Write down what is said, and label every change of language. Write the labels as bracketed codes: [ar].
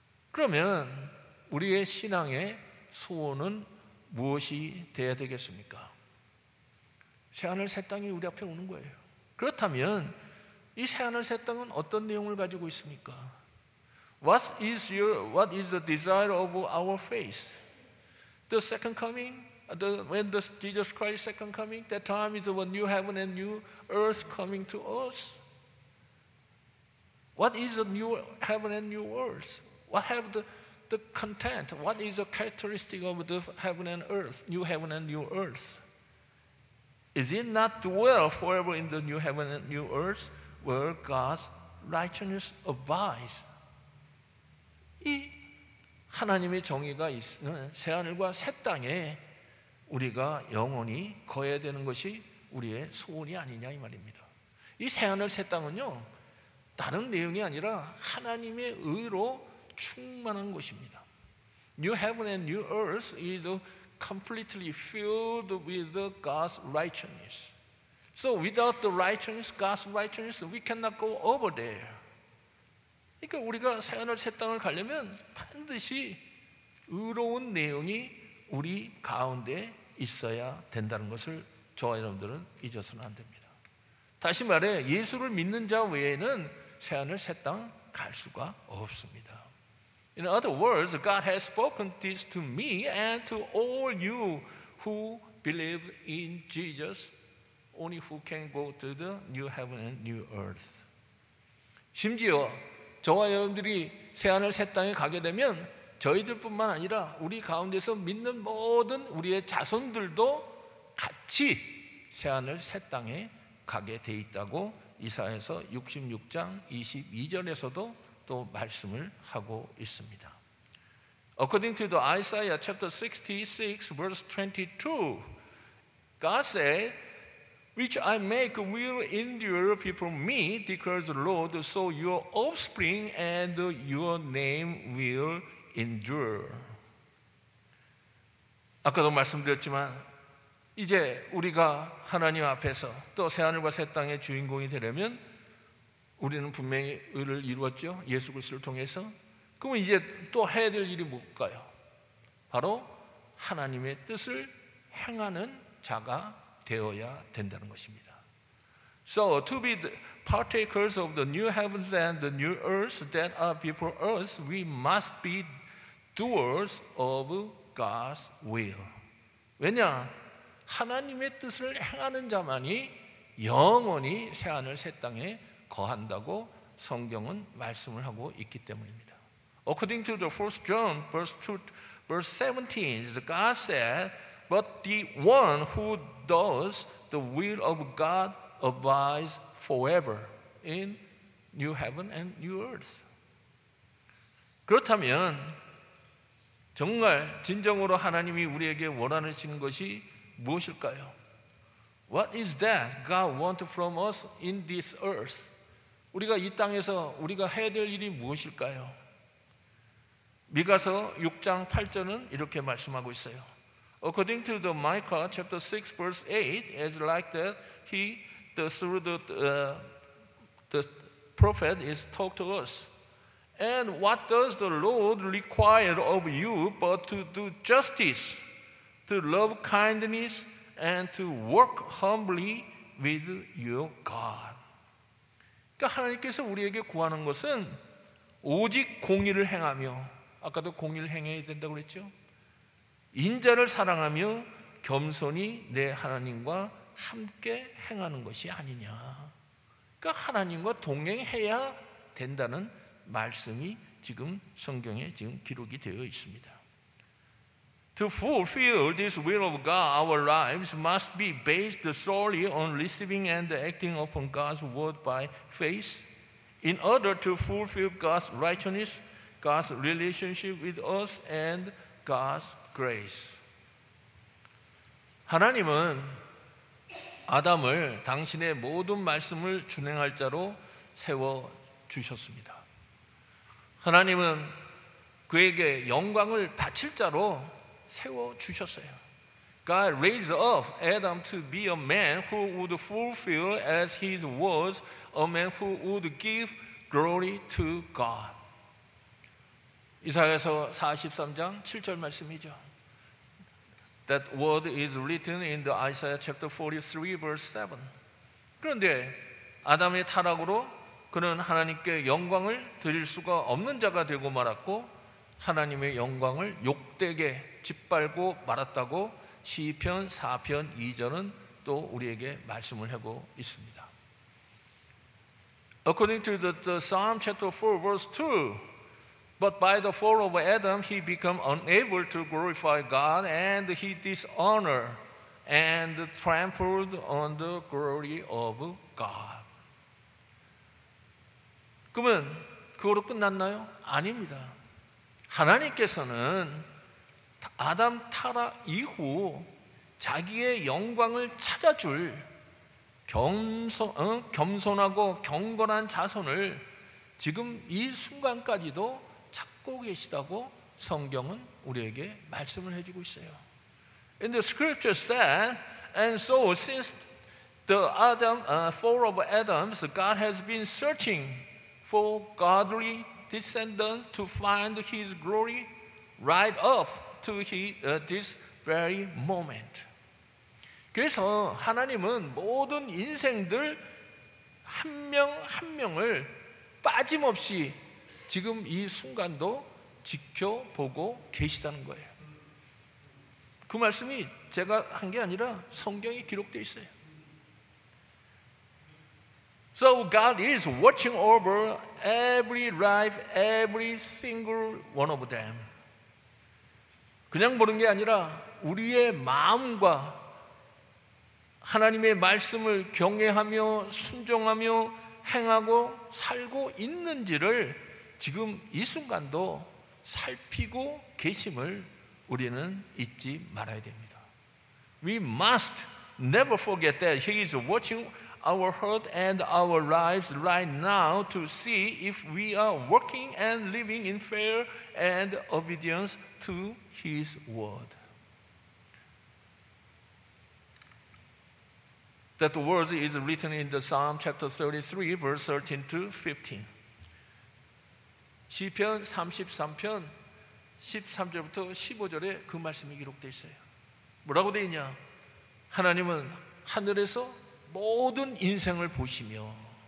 [ko] 그러면 우리의 신앙의 소원은 무엇이 돼야 되겠습니까? 새하늘 새 땅이 우리 앞에 오는 거예요. 그렇다면 이 새하늘 새 땅은 어떤 내용을 가지고 있습니까? [en] What is the desire of our faith? The second coming, when the Jesus Christ second coming, that time is a new heaven and new earth coming to us. What is a new heaven and new earth? What have the content, what is the characteristic of the heaven and earth, new heaven and new earth? Is it not dwell forever in the new heaven and new earth where God's righteousness abides? [ko] 이 하나님의 정의가 있는 새하늘과 새 땅에 우리가 영원히 거해야 되는 것이 우리의 소원이 아니냐 이 말입니다. 이 새하늘 새 땅은요 다른 내용이 아니라 하나님의 의로 충만한 곳입니다. [en] New heaven and new earth is completely filled with God's righteousness. So without the righteousness, God's righteousness, we cannot go over there. [ko] 그러니까 우리가 새하늘 새 땅을 가려면 반드시 의로운 내용이 우리 가운데 있어야 된다는 것을 저와 여러분들은 잊어서는 안 됩니다. 다시 말해 예수를 믿는 자 외에는 새하늘 새 땅 갈 수가 없습니다. [en] In other words, God has spoken this to me and to all you who believe in Jesus, only who can go to the new heaven and new earth. [ko] 심지어 저와 여러분들이 새하늘 새 땅에 가게 되면 저희들뿐만 아니라 우리 가운데서 믿는 모든 우리의 자손들도 같이 새하늘 새 땅에 가게 돼 있다고 이사야서 66장 22절에서도 또 말씀을 하고 있습니다. [en] According to the Isaiah chapter 66 verse 22, God said, which I make will endure before me, declares the Lord, so your offspring and your name will endure. [ko] 아까도 말씀드렸지만 이제 우리가 하나님 앞에서 또 새하늘과 새 땅의 주인공이 되려면 우리는 분명히 의를 이루었죠. 예수 그리스도를 통해서. 그럼 이제 또 해야 될 일이 뭘까요? 바로 하나님의 뜻을 행하는 자가 되어야 된다는 것입니다. [en] So to be the partakers of the new heavens and the new earth that are before us, we must be doers of God's will. [ko] 왜냐? 하나님의 뜻을 행하는 자만이 영원히 새하늘 새 땅에 거한다고 성경은 말씀을 하고 있기 때문입니다. [en] According to the 1st John verse 2, verse 17, God said, but the one who does the will of God abides forever in new heaven and new earth. [ko] 그렇다면 정말 진정으로 하나님이 우리에게 원하시는 것이 무엇일까요? [en] What is that God wants from us in this earth? [ko] 우리가 이 땅에서 우리가 해야 될 일이 무엇일까요? 미가서 6장 8절은 이렇게 말씀하고 있어요. [en] According to the Micah chapter 6 verse 8, as like that he the prophet is talk to us. And what does the Lord require of you but to do justice, to love kindness, and to work humbly with your God. [ko] 그러니까 하나님께서 우리에게 구하는 것은 오직 공의를 행하며, 아까도 공의를 행해야 된다고 그랬죠? 인자를 사랑하며 겸손히 내 하나님과 함께 행하는 것이 아니냐. 그러니까 하나님과 동행해야 된다는 말씀이 지금 성경에 지금 기록이 되어 있습니다. [en] To fulfill this will of God, our lives must be based solely on receiving and acting upon God's word by faith. In order to fulfill God's righteousness, God's relationship with us, and God's grace. [ko] 하나님은 아담을 당신의 모든 말씀을 준행할 자로 세워주셨습니다. 하나님은 그에게 영광을 바칠 자로 세워주셨어요. [en] God raised up Adam to be a man who would fulfill as his words, a man who would give glory to God. [ko] 이사야서 43장 7절 말씀이죠. [en] That word is written in the Isaiah chapter 43 verse 7. [ko] 그런데 아담의 타락으로 그는 하나님께 영광을 드릴 수가 없는 자가 되고 말았고 하나님의 영광을 욕되게 짓밟고 말았다고 시편 4편 2절은 또 우리에게 말씀을 하고 있습니다. [en] According to the Psalm chapter 4 verse 2, but by the fall of Adam he became unable to glorify God and he dishonored and trampled on the glory of God. [ko] 그러면 그거로 끝났나요? 아닙니다. 하나님께서는 아담 타락 이후 자기의 영광을 찾아줄 겸손하고 경건한 자손을 지금 이 순간까지도 찾고 계시다고 성경은 우리에게 말씀을 해주고 있어요. [en] In the scripture said, and so since the fall of Adam, God has been searching for godly descendants to find his glory right up to this very moment. [ko] 그래서 하나님은 모든 인생들 한 명 한 명을 빠짐없이 지금 이 순간도 지켜보고 계시다는 거예요. 그 말씀이 제가 한 게 아니라 성경에 기록되어 있어요. [en] So God is watching over every life, every single one of them. [ko] 그냥 보는 게 아니라 우리의 마음과 하나님의 말씀을 경외하며 순종하며 행하고 살고 있는지를 지금 이 순간도 살피고 계심을 우리는 잊지 말아야 됩니다. [en] We must never forget that He is watching our heart and our lives right now to see if we are working and living in fear and obedience to His word. That the words is written in the Psalm chapter 33, verse 13 to 15. [ko] 시편 33편 13절부터 15절에 그 말씀이 기록되어 있어요. 뭐라고 되어 있냐? 하나님은 하늘에서 모든 인생을 보시며.